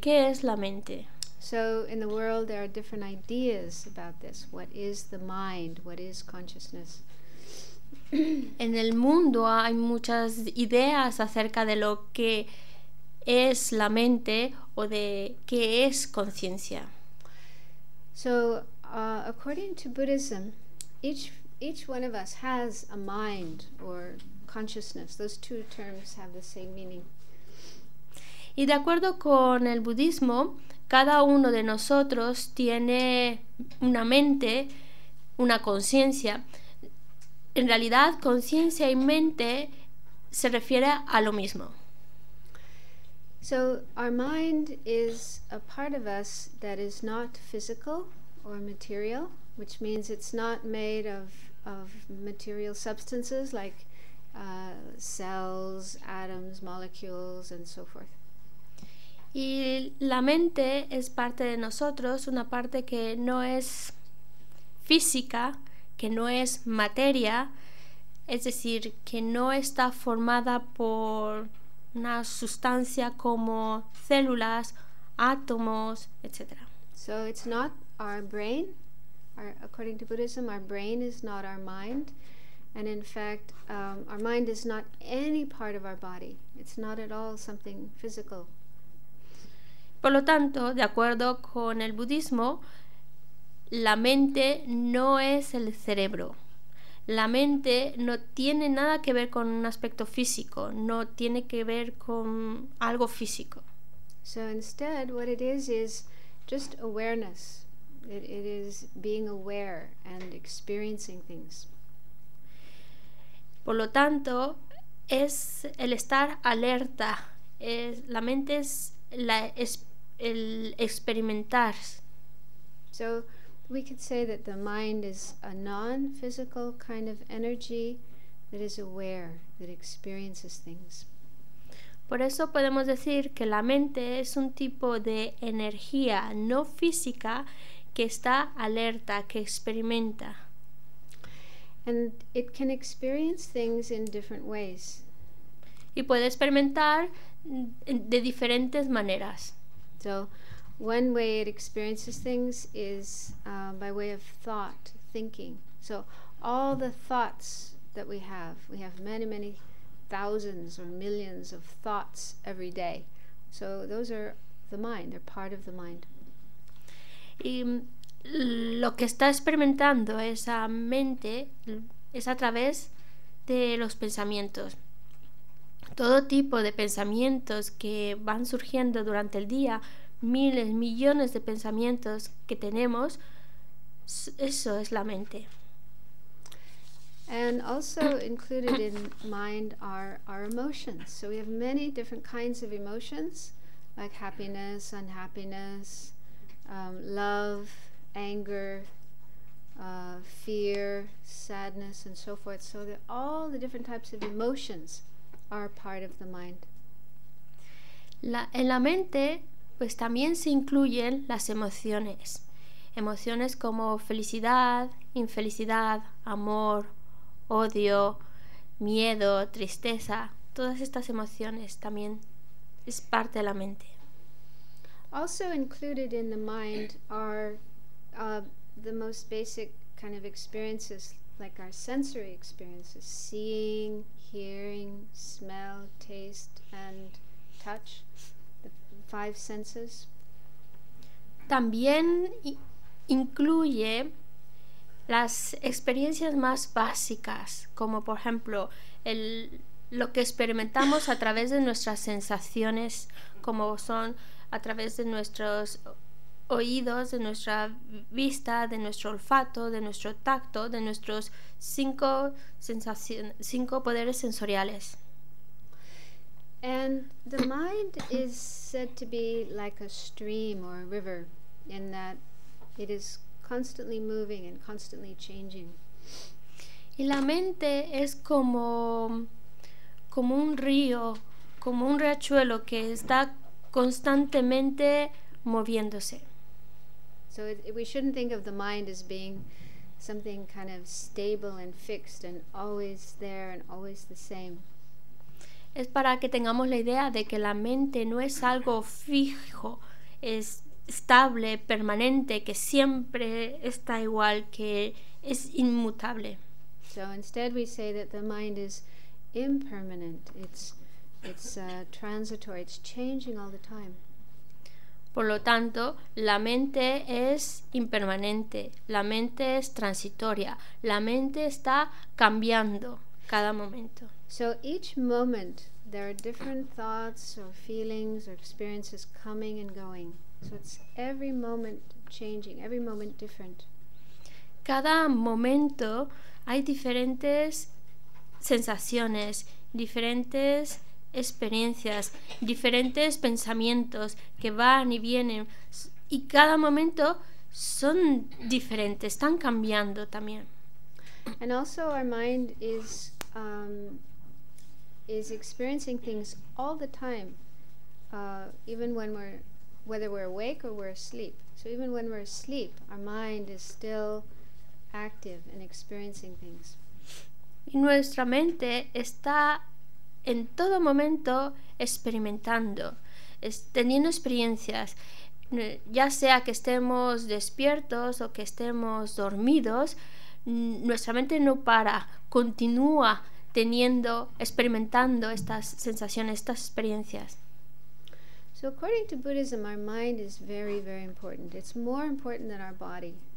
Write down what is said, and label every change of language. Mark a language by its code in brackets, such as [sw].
[es] ¿Qué es la mente? [en] So in the world there are different ideas about this. What is the mind? What is consciousness? [es] En el mundo hay muchas ideas acerca de lo que es la mente o de qué es conciencia. [en] So, according to Buddhism, each one of us has a mind or consciousness. Those two terms have the same meaning. [es] Y de acuerdo con el budismo, cada uno de nosotros tiene una mente, una conciencia. En realidad, conciencia y mente se refiere a lo mismo. [en] So our mind is a part of us that is not physical or material, which means it's not made of material substances like cells, atoms, molecules, and so forth. [es] Y la mente es parte de nosotros, una parte que no es física, que no es materia, es decir, que no está formada por una sustancia como células, átomos, etc. [en] So it's not our brain. According to Buddhism, our brain is not our mind. And in fact, our mind is not any part of our body. It's not at all something physical. [es] Por lo tanto, de acuerdo con el budismo, la mente no es el cerebro. La mente no tiene nada que ver con un aspecto físico, no tiene que ver con algo físico. [en] So instead, what it is just awareness. It is being aware and experiencing things. [es] Por lo tanto, es el estar alerta. La mente es el experimentar. [en] So we could say that the mind is a non-physical kind of energy that is aware, that experiences things. [es] Por eso podemos decir que la mente es un tipo de energía no física que está alerta, que experimenta. [en] And it can experience things in different ways. [es] Y puede experimentar de diferentes maneras. [en] So, one way it experiences things is by way of thought, thinking. So all the thoughts that we have many, many thousands or millions of thoughts every day. So those are the mind, they're part of the mind. [es] Y lo que está experimentando esa mente es a través de los pensamientos. Todo tipo de pensamientos que van surgiendo durante el día, miles, millones de pensamientos que tenemos, eso es la mente. [en] And also included in mind are our emotions. So we have many different kinds of emotions, like happiness, unhappiness, love, anger, fear, sadness, and so forth. So that all the different types of emotions are part of the mind. [es] En la mente, pues también se incluyen las emociones. Emociones como felicidad, infelicidad, amor, odio, miedo, tristeza. Todas estas emociones también es parte de la mente. [en] Also included in the mind are the most basic kind of experiences, like our sensory experiences, seeing, hearing, smell, taste, and touch. Five senses. [es] También incluye las experiencias más básicas, como por ejemplo lo que experimentamos a través de nuestras sensaciones, como son a través de nuestros oídos, de nuestra vista, de nuestro olfato, de nuestro tacto, de nuestros cinco poderes sensoriales. [en] And the mind is said to be like a stream or a river. in that it is constantly moving and constantly changing. [es] Y la mente es como un río, como un riachuelo que está constantemente moviéndose. [en] So we shouldn't think of the mind as being something kind of stable and fixed and always there and always the same. [es] Es para que tengamos la idea de que la mente no es algo fijo, es estable, permanente, que siempre está igual, que es inmutable. [en] So instead we say that the mind is impermanent, it's transitory, it's changing all the time. [es] Por lo tanto, la mente es impermanente, la mente es transitoria, la mente está cambiando cada momento. [en] So each moment there are different thoughts or feelings or experiences coming and going. So it's every moment changing, every moment different. [es] Cada momento hay diferentes sensaciones, diferentes experiencias, diferentes pensamientos que van y vienen, y cada momento son diferentes, están cambiando también. [en] And also our mind is experiencing things all the time, even when whether we're awake or we're asleep. So even when we're asleep, our mind is still active and experiencing things. [es] Y nuestra mente está en todo momento experimentando, teniendo experiencias, ya sea que estemos despiertos o que estemos dormidos, nuestra mente no para, continúa teniendo, experimentando estas sensaciones, estas experiencias. [en] So according to Buddhism, our mind is very, very important. It's more important than our body.